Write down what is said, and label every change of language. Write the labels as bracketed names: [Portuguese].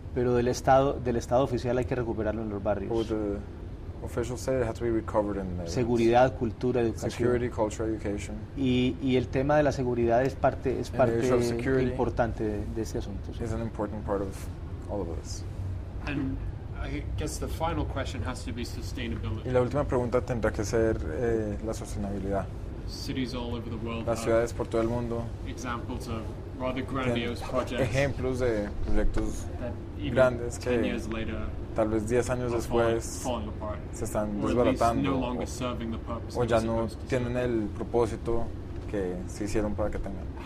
[Spanish] Pero del estado oficial hay que recuperarlo en los barrios. [English] Or the official state has to be recovered in the [Spanish] seguridad, cultura, educación. [English] Security, culture, education. [Spanish] Y el tema de la seguridad es parte importante de este asunto. [English] Is an important part of all of this. And I guess the final question has to be sustainability. [Spanish] Y la última pregunta tendrá que ser la sostenibilidad. [English] Cities all over the world. [Spanish] Las ciudades por todo el mundo. [English] Examples of rather grandiose projects. [Spanish] Ejemplos de proyectos grandes que tal vez 10 años después se están desbaratando o ya no tienen el propósito que se hicieron para que tengan.